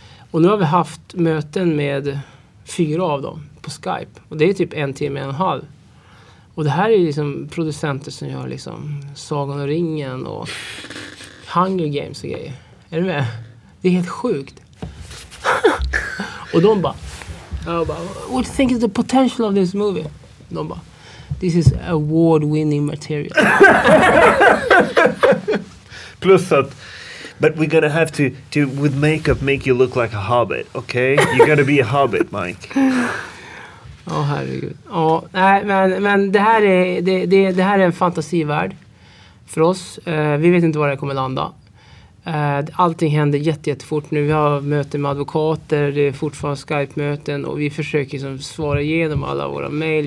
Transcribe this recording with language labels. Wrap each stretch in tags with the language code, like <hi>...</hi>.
<sv>Och nu har vi haft möten med 4 av dem på Skype. Och det är typ en timme, en halv. Och det här är liksom producenter som gör liksom Sagan och ringen och Hunger Games och grejer. Är du med? Det är helt sjukt.</sv> <en>Och de bara, what do you think is the potential of this movie? De bara, this is award winning material. Plus att, but we're gonna have to with makeup make you look like a hobbit, okay? You gotta be a hobbit, Mike.</en> <sv>Åh, herregud. Åh, nej, men det här är en fantasivärld för oss. Vi vet inte var det kommer landa. Allting händer jättefort nu. Vi har möten med advokater, det är fortfarande Skype-möten, och vi försöker liksom svara igenom alla våra mejl.</sv>